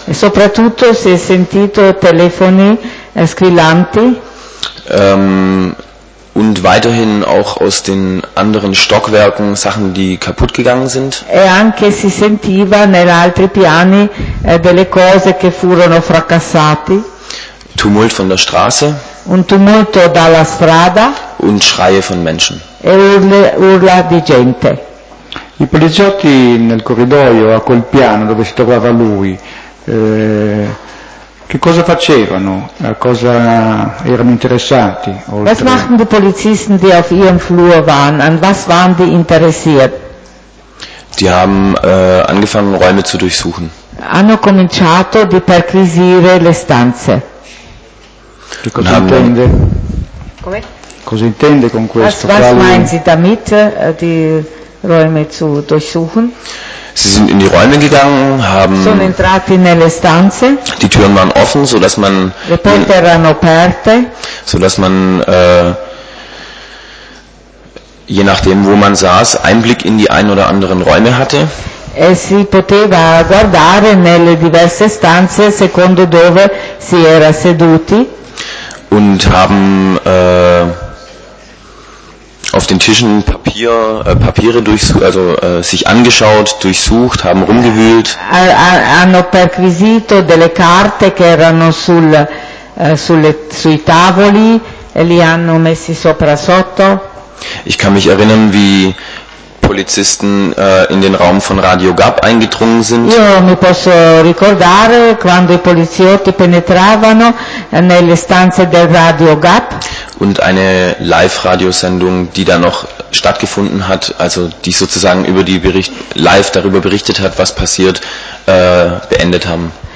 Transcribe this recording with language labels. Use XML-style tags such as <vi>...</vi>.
<it>E soprattutto si è sentito telefoni squillanti.</it> <de>Und weiterhin auch aus den anderen Stockwerken Sachen, die kaputt gegangen sind.</de> <it>E anche si sentiva negli altri piani delle cose che furono fracassati.</it> <de>Tumult von der Straße.</de> <it>Un tumulto dalla strada.</it> <de>Und Schreie von Menschen.</de> <it>E urla di gente. I poliziotti nel corridoio a quel piano dove si trovava lui, che cosa facevano? A cosa erano interessati? Oltre?</it> <de>Was machten die Polizisten, die auf ihrem Flur waren? An was waren die interessiert? Die haben angefangen, Räume zu durchsuchen.</de> <it>Hanno cominciato di perquisire le stanze. Che cosa intende? Come? Cosa intende con questo?</it> <de>Was meinen Sie damit, die Räume zu durchsuchen? Sie sind in die Räume gegangen, haben</de> <it>sono entrati nelle stanze.</it> <de>Die Türen waren offen, sodass man</de> <it>le porte erano aperte.</it> <de>Sodass man je nachdem, wo man saß, Einblick in die ein oder anderen Räume hatte.</de> <it>E si poteva guardare nelle diverse stanze secondo dove si era seduti.</it> <de>Und haben auf den Tischen Papiere durchsucht, also sich angeschaut, durchsucht, haben rumgewühlt.</de> <it>Hanno perquisito delle carte che erano sui tavoli e li hanno messi sopra sotto.</it> <de>Ich kann mich erinnern, wie Polizisten in den Raum von Radio Gab eingedrungen sind.</de> <it>Io mi posso ricordare quando i poliziotti penetravano nelle stanze del Radio Gab.</it> <de>Und eine Live-Radiosendung, die da noch stattgefunden hat, also die sozusagen live darüber berichtet hat, was passiert, beendet haben.</de>